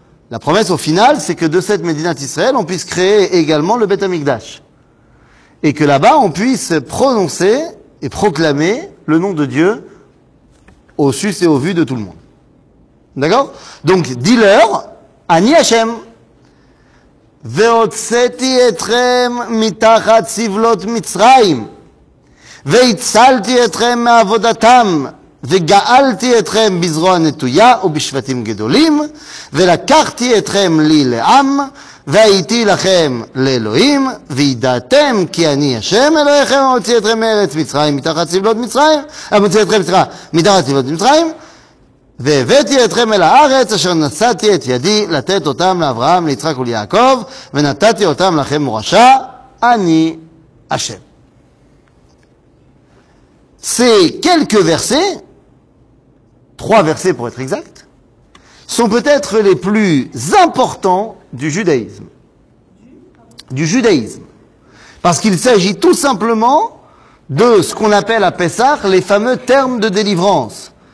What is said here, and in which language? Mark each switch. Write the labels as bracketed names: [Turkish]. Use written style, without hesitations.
[French] La promesse, au final, c'est que de cette Médinat Israël, on puisse créer également le Beth Amikdash. Et que là-bas, on puisse prononcer et proclamer le nom de Dieu au sus et au vu de tout le monde. D'accord ? Donc, dis-leur, [Hebrew] Ani Hashem. והוצאתי אתכם מתחת סבלות מצרים, והצלתי אתכם מעבודתם, וגאלתי אתכם בזרוע נטויה ובשבטים גדולים, ולקחתי אתכם לי לעם, והייתי לכם לאלוהים, וידעתם כי אני השם אלוהיכם, והוציא אתכם מארץ מצרים מתחת סבלות מצרים, והוציא אתכם מתחת סבלות מצרים, והבאתי אתכם אל הארץ אשר נשאתי את ידי לתת אותם לאברהם, ליצחק וליעקב, ונתתי אותם לכם מורשה, אני השם. [French] Ces quelques versets, trois versets pour être exact, sont peut-être les plus importants du judaïsme. Du judaïsme. Parce qu'il s'agit tout simplement de ce qu'on appelle à Pessah les fameux termes de délivrance.